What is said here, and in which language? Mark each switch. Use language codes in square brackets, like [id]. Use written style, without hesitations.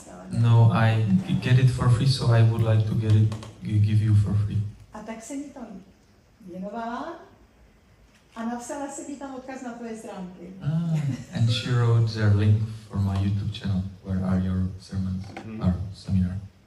[en] No, I get it for free, so I would like to get it, give you for free. [cs] A tak se mi tam věnovala a napsala se mi tam odkaz na tvoje stránky. [en] And she wrote their link for my YouTube channel, where are your sermons, or seminar.